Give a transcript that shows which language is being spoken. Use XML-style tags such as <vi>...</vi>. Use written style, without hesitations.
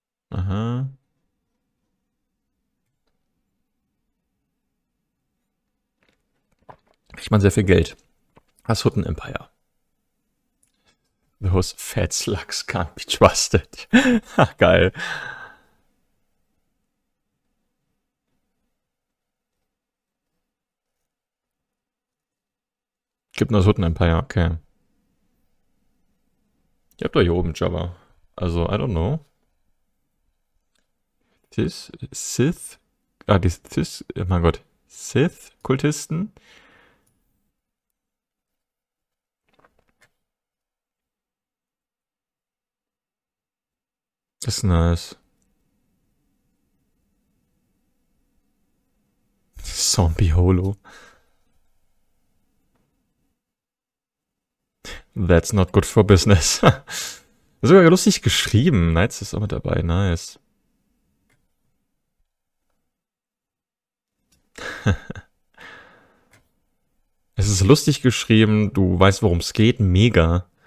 <de>Aha. kriegt man sehr viel Geld. Das Hutten Empire.</de> <en>Those fat slugs can't be trusted.</en> <de>Ach, geil. Gibt nur das Hutten Empire, okay. Ihr habt doch hier oben Jabba.</de> <en>Also, I don't know. This Sith.</en> <de>Ah, die Sith. Oh mein Gott. Sith-Kultisten. Das ist nice. Zombie Holo.</de> <en>That's not good for business.</en> <de>Sogar lustig geschrieben. Knights ist auch mit dabei. Nice. Es ist lustig geschrieben. Du weißt, worum es geht. Mega.</de>